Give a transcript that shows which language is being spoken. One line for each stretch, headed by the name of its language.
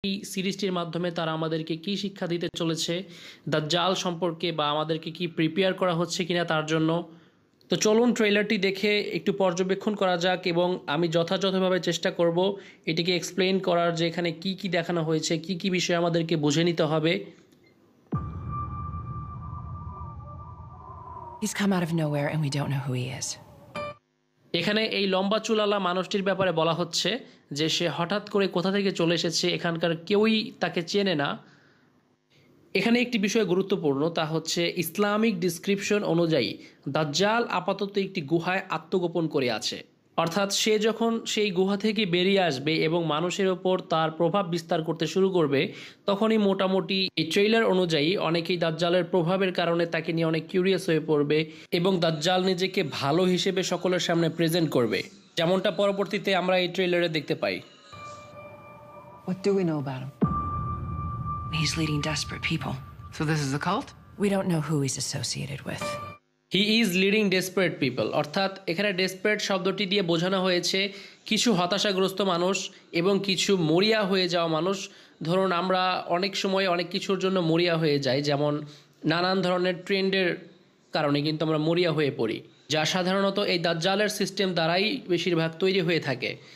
Bangla: এই সিরিজটির মাধ্যমে তারা আমাদেরকে কি শিক্ষা দিতে চলেছে দাজ্জাল সম্পর্কে, বা আমাদেরকে কি প্রিপেয়ার করা হচ্ছে কিনা তার জন্য। তো চলুন ট্রেলারটি দেখে একটু পর্যবেক্ষণ করা যাক, এবং আমি যথাযথভাবে চেষ্টা করব এটিকে এক্সপ্লেইন করার যে এখানে কি কি দেখানো হয়েছে, কি কি বিষয় আমাদেরকে বুঝে নিতে হবে।
English: He's come out of nowhere and we don't know who he is.
Bangla: এখানে এই লম্বা চুলালা মানুষটির ব্যাপারে বলা হচ্ছে যে সে হঠাৎ করে কোথা থেকে চলে এসেছে, এখানকার কেউই তাকে চেনে না। এখানে একটি বিষয় গুরুত্বপূর্ণ, তা হচ্ছে ইসলামিক ডিসক্রিপশন অনুযায়ী দাজ্জাল আপাতত একটি গুহায় আত্মগোপন করে আছে। অর্থাৎ সে যখন সেই গুহা থেকে বেরিয়ে আসবে এবং মানুষের ওপর তার প্রভাব বিস্তার করতে শুরু করবে, তখনই মোটামুটি এই ট্রেইলার অনুযায়ী অনেকেই দাজ্জালের প্রভাবের কারণে তাকে নিয়ে অনেক কিউরিয়াস হয়ে পড়বে এবং দাজ্জাল নিজেকে ভালো হিসেবে সকলের সামনে প্রেজেন্ট করবে, যেমনটা পরবর্তীতে আমরা এই ট্রেইলারে দেখতে পাই।
English: What do we know about him? He's leading desperate people. So this is a cult? We don't know who he's associated with. He is leading desperate people.
Bangla: অর্থাৎ এখানে desperate শব্দটি দিয়ে বোঝানো হয়েছে কিছু হতাশাগ্রস্ত মানুষ এবং কিছু মরিয়া হয়ে যাওয়া মানুষ। ধরুন আমরা অনেক সময় অনেক কিছুর জন্য মরিয়া হয়ে যাই, যেমন নানান ধরনের ট্রেন্ডের কারণে কিন্তু আমরা মরিয়া হয়ে পড়ি, যা সাধারণত এই দাজ্জালের সিস্টেম দ্বারাই বেশিরভাগ তৈরি হয়ে থাকে।